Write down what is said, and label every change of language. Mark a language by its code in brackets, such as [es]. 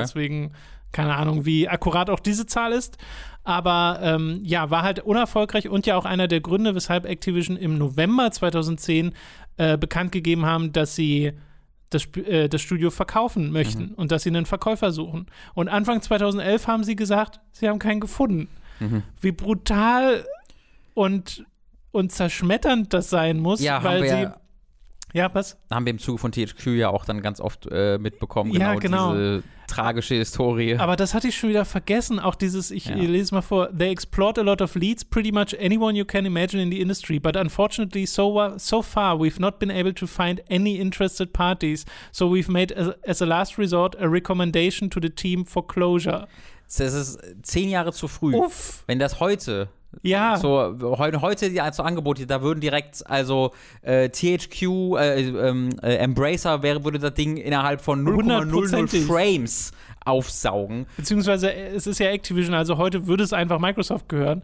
[de] Deswegen keine Ahnung, wie akkurat auch diese Zahl ist. Aber war halt unerfolgreich und ja auch einer der Gründe, weshalb Activision im November 2010 bekannt gegeben haben, dass sie das Studio verkaufen möchten und dass sie einen Verkäufer suchen. Und Anfang 2011 haben sie gesagt, sie haben keinen gefunden. Mhm. Wie brutal und zerschmetternd das sein muss, weil sie Ja, was? Da haben wir im Zuge von THQ ja auch dann ganz oft mitbekommen, genau. Diese tragische Historie. Aber das hatte ich schon wieder vergessen, auch dieses, ich lese mal vor, [en] they explored a lot of leads, pretty much anyone you can imagine in the industry, but unfortunately so far we've not been able to find any interested parties, so we've made as a last resort a recommendation to the team for closure. [de] Das ist 10 Jahre zu früh. Uff. Wenn das heute... Ja. So, heute die also Angebote, da würden direkt, also THQ, Embracer würde das Ding innerhalb von 0,00 Frames aufsaugen. Beziehungsweise, es ist ja Activision, also heute würde es einfach Microsoft gehören.